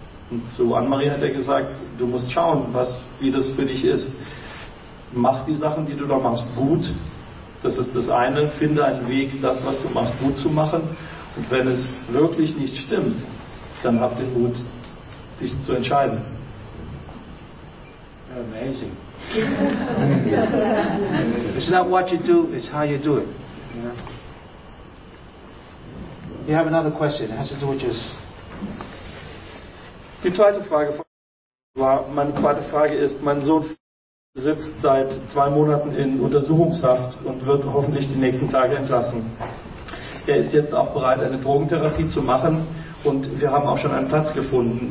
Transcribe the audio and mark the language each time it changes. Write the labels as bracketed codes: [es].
[de] Und zu Anne-Marie hat er gesagt, du musst schauen, wie das für dich ist. Mach die Sachen, die du da machst, gut. Das ist das eine. Finde einen Weg, das, was du machst, gut zu machen. Und wenn es wirklich nicht stimmt, dann hab den Mut, dich zu entscheiden. [en] Amazing. It's not what you do, it's how you do it. You have another question. It has to do with just... [de] Meine zweite Frage ist, mein Sohn sitzt seit 2 Monaten in Untersuchungshaft und wird hoffentlich die nächsten Tage entlassen. Er ist jetzt auch bereit, eine Drogentherapie zu machen und wir haben auch schon einen Platz gefunden.